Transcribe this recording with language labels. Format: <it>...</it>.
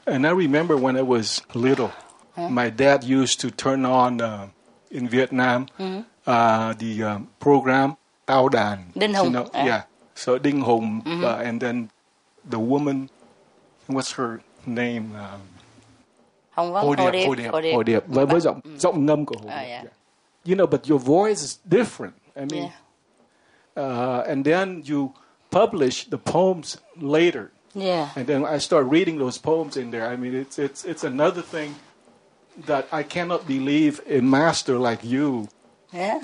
<en>And I remember when I was little, my dad used to turn on in Vietnam the program.</en> <vi>Tao Dan, Đinh Hùng.</vi> <en>So Đinh Hùng, and then the woman, what's her name?</en> <vi>Hồng Vân, Hồ Điệp. Với giọng ngâm của Hồ Điệp.</vi> <en>You know, but your voice is different. I mean, and then you publish the poems later. Yeah. And then I start reading those poems in there. I mean, it's another thing that I cannot believe a master like you. Yeah.</en>